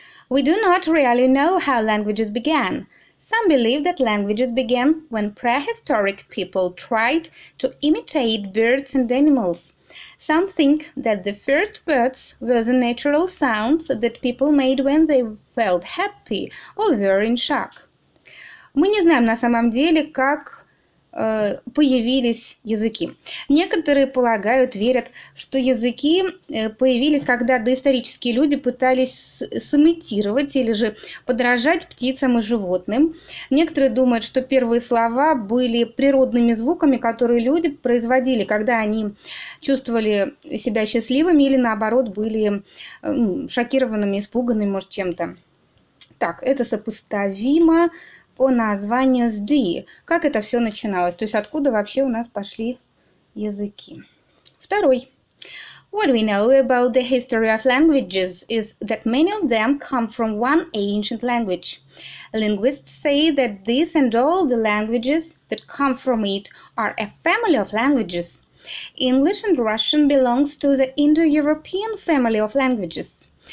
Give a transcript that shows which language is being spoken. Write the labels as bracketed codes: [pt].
[en] We do not really know how languages began. Some believe that languages began when prehistoric people tried to imitate birds and animals. Some think that the first words were the natural sounds that people made when they felt happy or were in shock. [ru] Мы не знаем на самом деле, как появились языки. Некоторые полагают, верят, что языки появились, когда доисторические люди пытались сымитировать или же подражать птицам и животным. Некоторые думают, что первые слова были природными звуками, которые люди производили, когда они чувствовали себя счастливыми или, наоборот, были шокированными, испуганными, может, чем-то. Так, это сопоставимо по названию с D. Как это все начиналось? То есть откуда вообще у нас пошли языки? Второй. [en] What we know about the history of languages is that many of them come from one ancient language. Linguists say that this and all the languages that come from it are a family of languages. English and Russian belongs to the Indo-European family of languages.